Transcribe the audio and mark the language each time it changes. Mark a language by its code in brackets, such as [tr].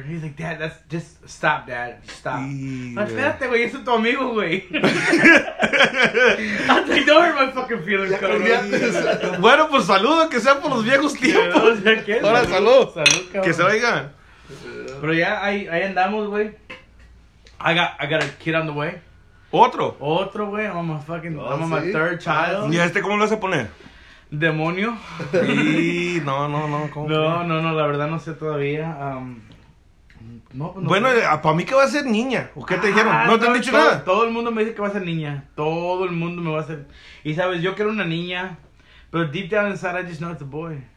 [en] He's like, Dad, that's just stop, Dad, stop. [es] Espérate, güey, eso es tu amigo, güey. [en] I'm like, don't hurt my fucking feelings, cabrón. [es] Bueno, pues saludo, que sea por los viejos tiempos. O sea, ¿qué? Ahora salud. Salud, cabrón. Que se oigan. Pero ya ahí andamos, güey. [en] I got a kid on the way. [es] Otro, [en] güey. I'm a third child. [es] ¿Y este cómo lo vas a poner? Demonio. Sí, no, ¿cómo? No, la verdad no sé todavía. Bueno, ¿para mí que va a ser niña? ¿O qué te dijeron? ¿No te han dicho nada? Todo el mundo me dice que va a ser niña. Todo el mundo me va a hacer. Y sabes, yo quiero una niña. [en] Pero deep down inside, I just know it's a boy.